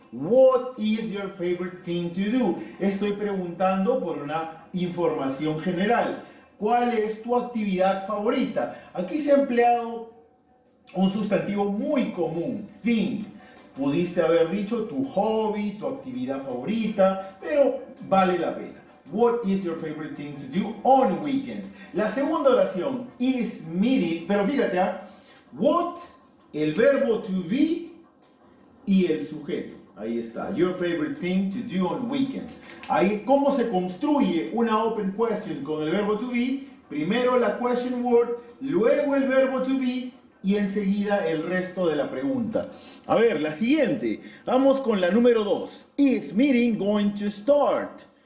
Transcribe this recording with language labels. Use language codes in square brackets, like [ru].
[en] What is your favorite thing to do? [es] Estoy preguntando por una información general. ¿Cuál es tu actividad favorita? Aquí se ha empleado un sustantivo muy común, thing. Pudiste haber dicho tu hobby, tu actividad favorita, pero vale la pena. [en] What is your favorite thing to do on weekends? [es] La segunda oración is meeting, pero fíjate, ¿eh? What, el verbo to be y el sujeto. Ahí está, [en] your favorite thing to do on weekends. [es] Ahí, ¿cómo se construye una open question con el verbo to be? Primero la question word, luego el verbo to be y enseguida el resto de la pregunta. A ver, la siguiente. Vamos con la número 2. [en] Is meeting going to start?